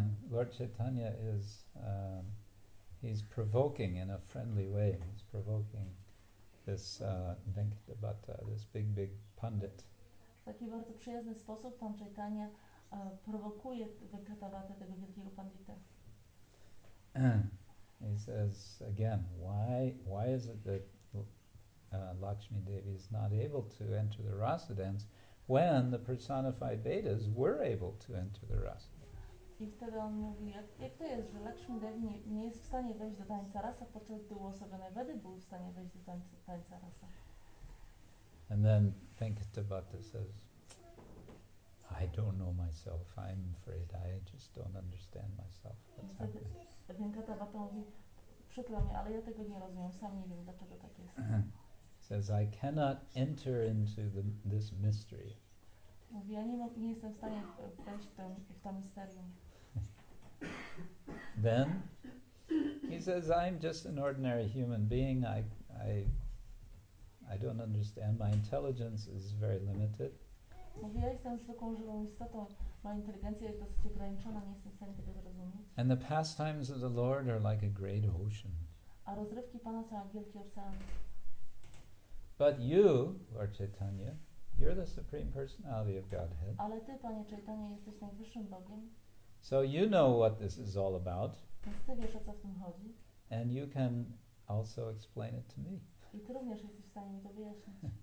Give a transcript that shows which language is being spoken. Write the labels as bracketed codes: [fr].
[en] Lord Chaitanya is he's provoking in a friendly way. He's provoking this Venkata Bhatta, this big pundit. [pl] W taki bardzo przyjazny sposób pan Chaitanya prowokuje Venkata Bhatta, tego wielkiego pandita. [en] He says again, why is it that Lakshmi Devi is not able to enter the rasa dance when the personified Vedas were able to enter the rasa dance? [pl] I wtedy on mówi, jak to jest, że Lakshmi Devi nie jest w stanie wejść do tańca rasa, podczas gdy uosobione Wedy były w stanie wejść do tańca rasa. [en] And then Venkatabhata says, I don't know myself, I'm afraid, I just don't understand myself. What's happening? [pl] Venkatabhata mówi, przykro mi, ale ja tego nie rozumiem, sam nie wiem, dlaczego tak jest. [en] Says, I cannot enter into this mystery. [pl] Mówi, ja nie jestem w stanie wejść w to misterium. [en] Then he says, I'm just an ordinary human being. I don't understand. My intelligence is very limited. [pl] Mówi, ja jestem zwykłą żywą istotą. Moja inteligencja jest dosyć ograniczona. Nie jestem w stanie tego zrozumieć. [en] And the pastimes of the Lord are like a great ocean. [pl] A rozrywki Pana są jak wielki ocean. [en] But you, Lord Chaitanya, you're the Supreme Personality of Godhead. [pl] Ale ty, Panie Chaitanya, jesteś najwyższym Bogiem. [en] So you know what this is all about. [pl] Więc ty wiesz, o co w tym chodzi. [en] And you can also explain it to me. [pl] I ty również jesteś w stanie mi to wyjaśnić.